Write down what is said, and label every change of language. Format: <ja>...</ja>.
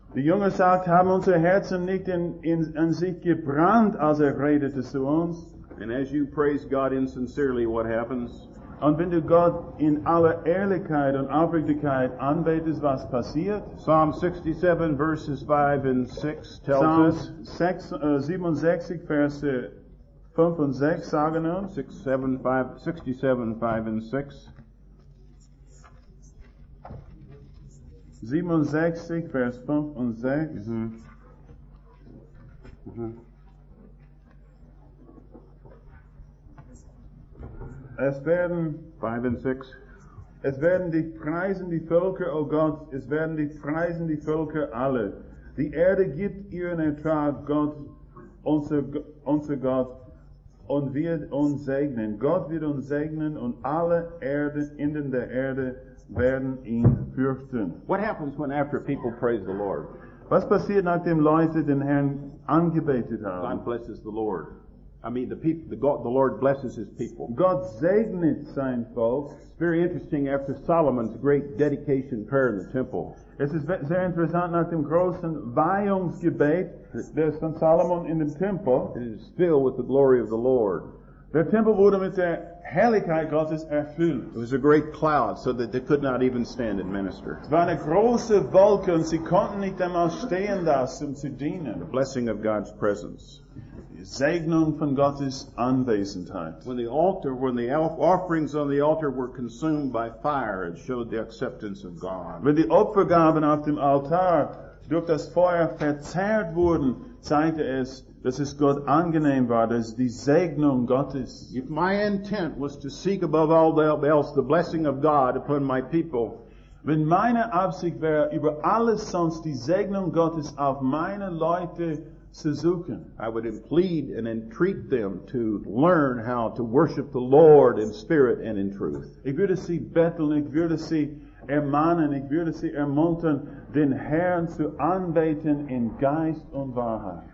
<de>Die Jünger sagt, haben unsere Herzen nicht in sich gebrannt, als redete zu uns?</de> <en>And as you praise God insincerely, what happens?</en> <de>Und wenn du Gott in aller Ehrlichkeit und Aufrichtigkeit anbetest, was passiert?</de> <en>Psalm 67, verses 5 and 6 tells Psalm us.</en> <de>Psalm 67, verse 5 and 6 sagen uns.</de> <en>67, 5 and 6.</en> <de>67, Vers 5 und 6. Es werden 5 und 6. Es werden dich preisen die Völker, O Gott, es werden dich preisen die Völker alle. Die Erde gibt ihren Ertrag, Gott, unser Gott, und wird uns segnen. Gott wird uns segnen und alle Erde, Enden der Erde, werden ihn fürchten.</de> <en>What happens when after people praise the Lord?</en> <de>Was passiert nachdem Leute den Herrn angebetet haben?</de> <en>God blesses the Lord. I mean, the Lord blesses his people.</en> <de>God segnet sein Volk.</de> <en>Very interesting after Solomon's great dedication prayer in the temple.</en> <de>Es ist sehr interessant nach dem großen Weihungsgebet des von Solomon in dem Tempel.</de> <en>It is filled with the glory of the Lord.</en> <de>Der Tempel wurde mit der Herrlichkeit Gottes erfüllt.</de> <en>It was a great cloud so that they could not even stand and minister.</en> <de>Es war eine große Wolke und sie konnten nicht einmal stehen da, um zu dienen.</de> <en>The blessing of God's presence.</en> <de>Segnung von Gottes Anwesenheit.</de> <en>When the offerings on the altar were consumed by fire, it showed the acceptance of God.</en> <de>Wenn die Opfergaben auf dem Altar durch das Feuer verzehrt wurden, zeigte es, dass es Gott angenehm war, dass die Segnung Gottes.</de> <en>If my intent was to seek above all else the blessing of God upon my people,</en> <de>wenn meine Absicht wäre, über alles sonst die Segnung Gottes auf meine Leute Suzuken.</de> <en>I would plead and entreat them to learn how to worship the Lord in spirit and in truth.</en> <de>Ich würde sie betteln, ich würde sie ermahnen, ich würde sie ermuntern, den Herrn zu anbeten in Geist und Wahrheit.</de>